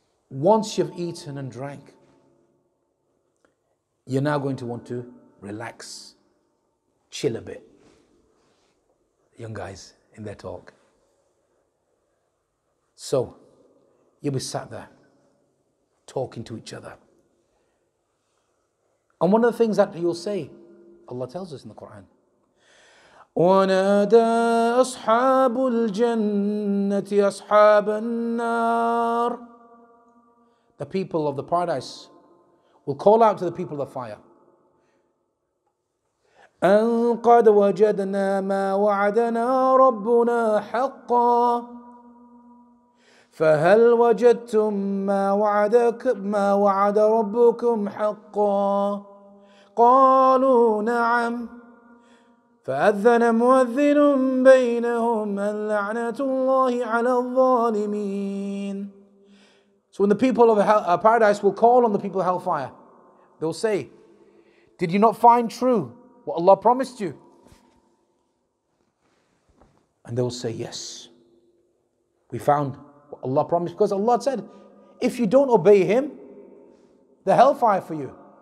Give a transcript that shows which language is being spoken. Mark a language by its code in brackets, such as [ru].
[en] Once you've eaten and drank, you're now going to want to relax, chill a bit. Young guys, in their talk. So, you'll be sat there, talking to each other. And one of the things that you'll say, Allah tells us in the Quran, [ar] وَنَادَى أَصْحَابُ الْجَنَّةِ أَصْحَابَ النَّارِ, [en] the people of the paradise will call out to the people of the fire, [ar] أَنْ قَدْ وَجَدْنَا مَا وَعَدَنَا رَبُّنَا حَقًّا فَهَلْ وَجَدْتُمْ مَا وَعَدَكُمْ مَا وَعَدَ رَبُّكُمْ حَقًّا قَالُوا نَعَمْ فَأَذَّنَ مُؤَذِّنٌ بَيْنَهُمْ أَنْ لَعْنَةُ اللَّهِ عَلَى الظَّالِمِينَ. [en] So when the people of paradise will call on the people of hellfire, they'll say, did you not find true what Allah promised you? And they'll say, yes, we found what Allah promised. Because Allah said, if you don't obey Him, the hellfire for you.